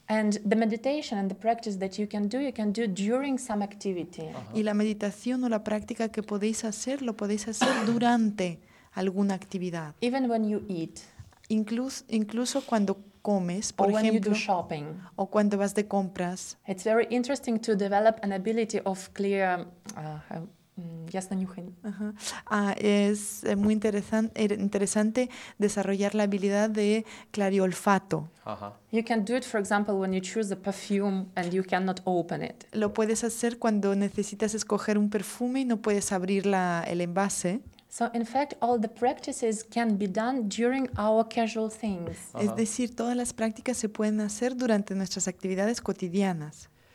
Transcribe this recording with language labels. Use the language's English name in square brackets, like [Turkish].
[English] And the meditation and the practice that you can do during some activity. Uh-huh. [Spanish] Y la meditación o la práctica que podéis hacer, lo podéis hacer durante alguna actividad. [English] Even when you eat. [Spanish] Incluso cuando comes, por ejemplo. [English] Or when you do shopping. [Spanish] O cuando vas de compras. [English] It's very interesting to develop an ability of clear. [Spanish] Es muy interesante desarrollar la habilidad de clariolfato. Uh-huh. [English] You can do it, for example, when you choose a perfume and you cannot open it. [Spanish] Lo puedes hacer cuando necesitas escoger un perfume y no puedes abrir el envase. [English] So in fact, all the practices can be done during our casual things. Uh-huh. [Spanish] Es decir, todas las prácticas se pueden hacer durante nuestras actividades cotidianas.